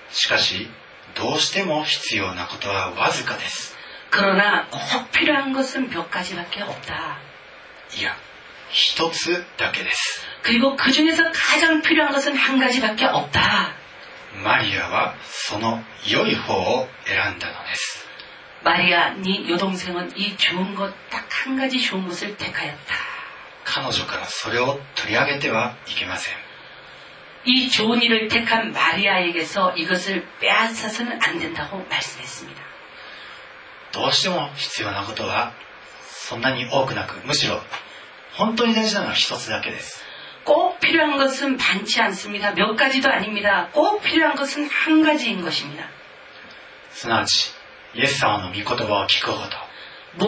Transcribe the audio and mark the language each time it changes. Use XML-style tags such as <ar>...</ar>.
<ja>しかし、どうしても必要なことはわずかです。</ja> <ko>그러나、꼭필요한것은몇가지밖에없다。</ko> <ja>いや、一つだけです。</ja> <ko>그리고그중에서가장필요한것은한가지밖에없다。</ko> <ja>マリアはその良い方を選んだのです。</ja> <ko>마리아네여동생은이좋은것딱한가지좋은것을택하였다</ko> <ja>彼女からそれを取り上げてはいけません</ja> <ko>이좋은일을택한마리아에게서이것을빼앗아서는안된다고말씀했습니다</ko> <ja>どうしても必要なことはそんなに多くなくむしろ本当に大事なのは一つだけです</ja> <ko>꼭필요한것은많지않습니다몇가지도아닙니다꼭필요한것은한가지인것입니다</ko> <ja>すなわちイエス様の御言葉を聞くこと。</ja>